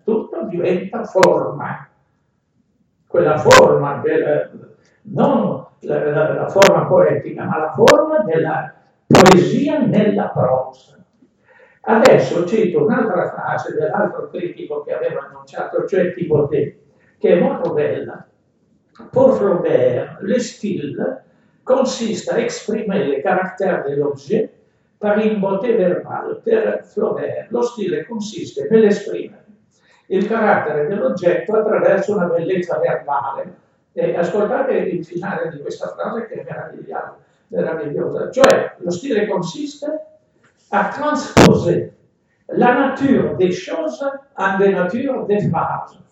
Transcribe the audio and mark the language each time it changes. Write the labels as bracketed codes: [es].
[it] Tutto diventa forma. Quella forma, non la forma poetica, ma la forma della poesia nella prosa. Adesso cito un'altra frase dell'altro critico che aveva annunciato, cioè Thibaudet, che è molto bella. [fr] Pour Flaubert, le style consiste a esprimere le caractère de l'objet par une beauté verbale. [it] Per Flaubert, lo stile consiste nell'esprimere il carattere dell'oggetto attraverso una bellezza verbale. E ascoltate il finale di questa frase che è meravigliosa, meravigliosa. Cioè, lo stile consiste [fr] a transposer la nature des choses à la nature des vases.